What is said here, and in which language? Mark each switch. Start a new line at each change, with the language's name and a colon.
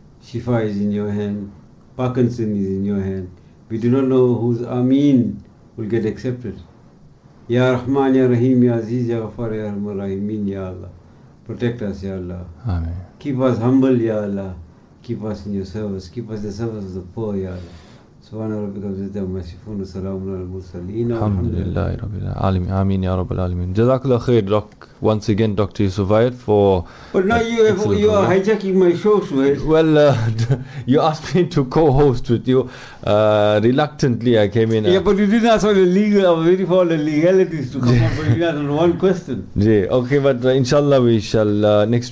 English: Shifa is in your hand. Parkinson is in your hand. We do not know whose Ameen will get accepted. Ya Rahman, Ya Rahim, Ya Aziz, Ya Ghaffar, Ya Rahman, Rahimin, Ya Allah. Protect us, Ya Allah. Amen. Keep us humble, Ya Allah. Keep us in your service. Keep us in the service of the poor, Ya Allah.
Arabic: سبحان ربك رب العزة عما يصفون وسلام على المرسلين الحمد لله رب العالمين آمين يا رب العالمين جزاك الله خير دوك
English: once again Dr. Suhail for but now you are hijacking my show Suhail. Well you asked me to co-host with you reluctantly I came in yeah but you didn't ask all the legal very for all the legalities to come up but you asked one question yeah okay but inshallah we shall next